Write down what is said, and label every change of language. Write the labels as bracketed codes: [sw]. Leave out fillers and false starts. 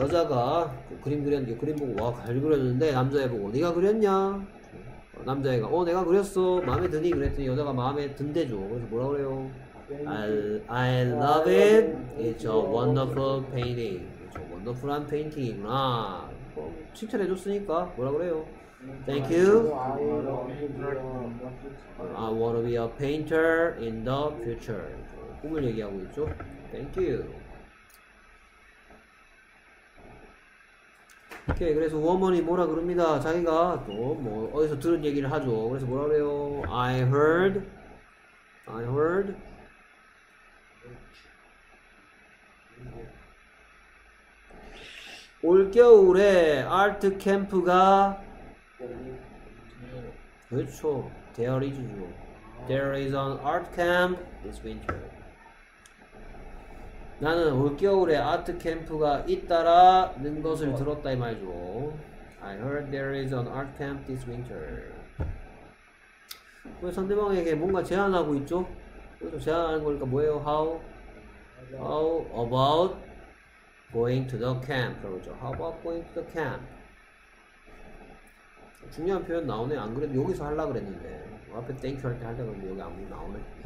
[ko] 여자가 그림 그렸는데, 그림 보고, 와, 잘 그렸는데, 남자애 보고, 네가 그렸냐? 남자애가, 내가 그렸어. 마음에 드니? 그랬더니 여자가 마음에 든대죠. 그래서 뭐라 그래요? [en] I love it. It's a wonderful painting. It's a wonderful [ko] 페인팅이구나. 칭찬해줬으니까 뭐라 그래요? [en] Thank you. I want to be a painter in the future. [ko] 꿈을 얘기하고 있죠. [en] Thank you. [ko] 오케이. 그래서 우어머니 뭐라 그럽니다. 자기가 또뭐 어디서 들은 얘기를 하죠. 그래서 뭐라 그래요? [en] I heard. [ko] 올겨울에 아트 캠프가 그렇죠. [en] There is an art camp this winter. [ko] 나는 올겨울에 아트 캠프가 있다라는 것을 들었다 이 말이죠. [en] I heard there is an art camp this winter. [ko] 왜 상대방에게 뭔가 제안하고 있죠? 그래서 제안하는 거니까 뭐예요? [en] How about going to the camp? [ko] 그러죠. [en] How about going to the camp? [ko] 중요한 표현 나오네. 안 그래도 여기서 하려고 그랬는데. 앞에 땡큐 할때 하려고 그랬는데 여기 아무리 나오네.